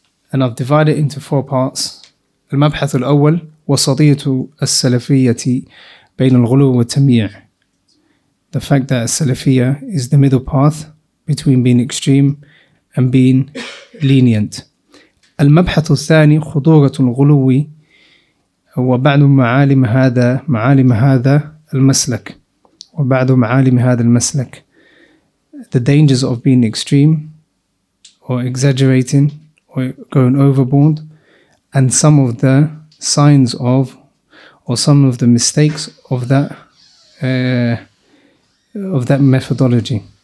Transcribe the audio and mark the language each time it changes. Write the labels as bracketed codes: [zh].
[en] And I've divided it into four parts. Al-Mabhath al-Awwal, Wasatiyatu al-Salafiyyati bayna al-Ghulu wa tamir. The fact that al-Salafiyya is the middle path between being extreme and being lenient. [ar] Al-Mabhath al-Thani, Khuduratu al-Ghuluwi وبعض معالم هذا معالم هذا المسلك وبعض معالم هذا المسلك. [en] The dangers of being extreme or exaggerating or going overboard, and some of the signs of or some of the mistakes of that methodology.